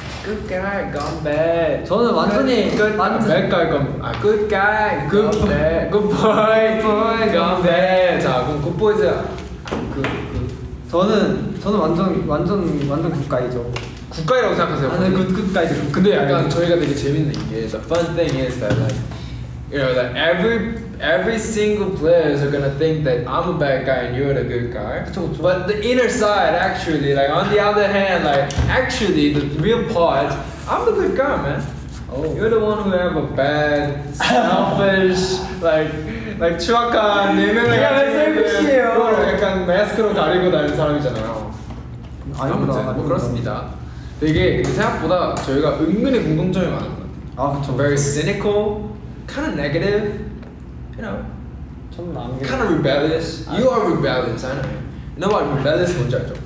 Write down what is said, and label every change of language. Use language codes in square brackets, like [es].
[ko] 굿가이 건배. 저는 완전히 백가이 건. 아, 굿가이 건배. 굿보이 건배. 자, 그럼 굿보이즈. 저는 완전 굿가이죠. 국가이라고 생각하세요? 아니, 끝까지. 근데 약간 저희가 되게 재밌는 게 [en] the fun thing is that like you know that every single players are gonna think that I'm a bad guy and you're a good guy. [ko] 그쵸. [en] But the inner side actually like on the other hand like actually the real part I'm the good guy, man. Oh. You're the one who have a bad, selfish, like [ko] 추악한 내면을 가지고 있는 약간 마스크로 가리고 다니는 사람이잖아요. 아닙니다. 뭐 그렇습니다. 되게 생각보다 저희가 은근히 공통점이 많은 것 같아요. 아, 그쵸. [en] Very cynical, kind of negative, you know. [ko] 저는 안 [en] kind of rebellious. 아, you are rebellious, I know. You know what rebellious [ko] 뭔지 알죠?